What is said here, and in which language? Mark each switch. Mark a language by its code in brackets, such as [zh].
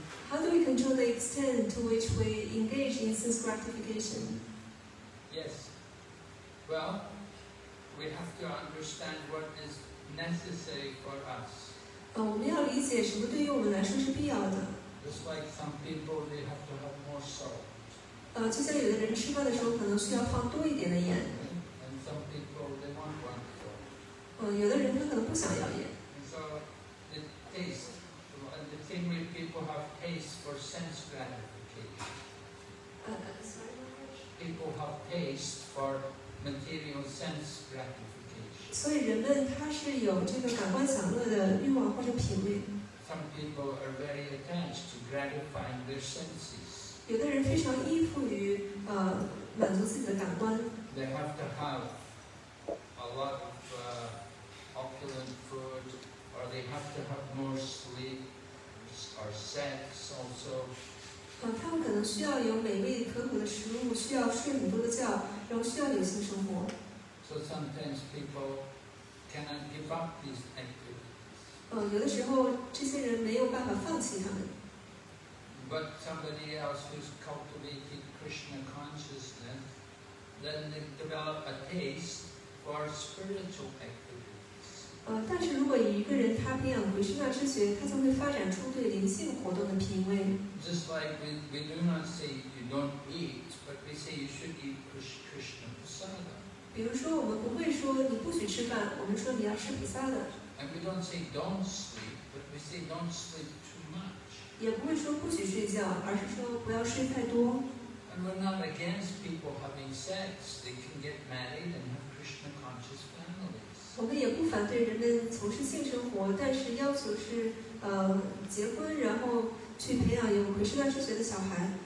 [en] How do we control the extent to which we engage in sense gratification? Yes. Well, we have to understand what is necessary for us. [zh] 我们要理解什么对于我们来说是必要的。 [en] Just like some people, they have to have more salt. [zh] 就像有的人吃饭的时候可能需要放多一点的盐。 [en] And some people, they want one salt. [zh] 有的人他可能不想要盐。 [en] And so, the taste, and the thing with people have taste for sense gratification. People have taste for material sense gratification. [zh] 所以人们他是有这个感官享乐的欲望或者品味。 [en] Some people are very attached to gratifying their senses. [zh] 有的人非常依附于满足自己的感官。 [en] They have to have a lot of opulent food, or they have to have more sleep, or sex also. [zh] 他们可能需要有美味可口的食物，需要睡很多的觉，然后需要有性生活。 [en] So sometimes people cannot give up these activities. [zh] 有的时候这些人没有办法放弃他们。 [en] But somebody else who's cultivated Krishna consciousness, then they develop a taste for spiritual activities. [zh] 但是如果一个人他培养回向之觉，他将会发展出对灵性活动的品味。 [en] Just like we do not say you don't eat, but we say you should eat Krishna prasadam. [zh] 比如说我们不会说你不许吃饭，我们说你要吃菩萨的。 [en] And we don't say don't sleep, but we say don't sleep too much. [zh] 也不会说不许睡觉，而是说不要睡太多。 [en] And we're not against people having sex. They can get married and have Krishna conscious families. [zh] 我们也不反对人们从事性生活，但是要求是结婚，然后去培养有回向大师学的小孩。